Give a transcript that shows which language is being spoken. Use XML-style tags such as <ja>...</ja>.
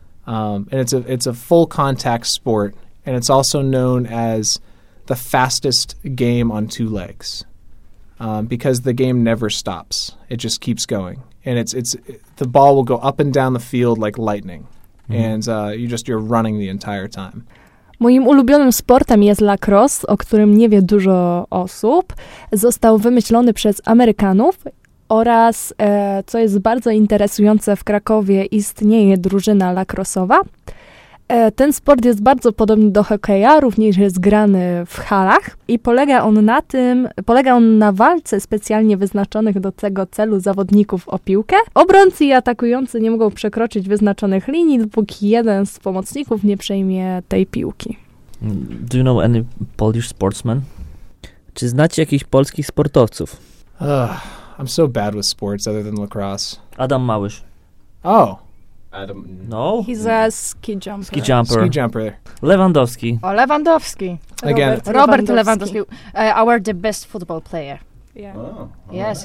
<en>And it's a full contact sport, and it's also known as the fastest game on two legs, because the game never stops. It just keeps going, and it's the ball will go up and down the field like lightning, mm-hmm. and you're running the entire time.</en> <pl>Moim ulubionym sportem jest lacrosse, o którym nie wie dużo osób. Został wymyślony przez Amerykanów. Oraz, co jest bardzo interesujące, w Krakowie istnieje drużyna lacrosowa. Ten sport jest bardzo podobny do hokeja, również jest grany w halach i polega on na walce specjalnie wyznaczonych do tego celu zawodników o piłkę. Obrońcy i atakujący nie mogą przekroczyć wyznaczonych linii, dopóki jeden z pomocników nie przejmie tej piłki.</pl> <en>Do you know any Polish sportsmen?</en> <pl>Czy znacie jakichś polskich sportowców?</pl> <en>I'm so bad with sports other than lacrosse. Adam Małysz. Oh. Adam. No. He's a ski jumper. Ski jumper. Ski jumper. Lewandowski. Oh, Lewandowski. Again. Robert Lewandowski. Our the best football player. Yeah. Oh, yes,</en>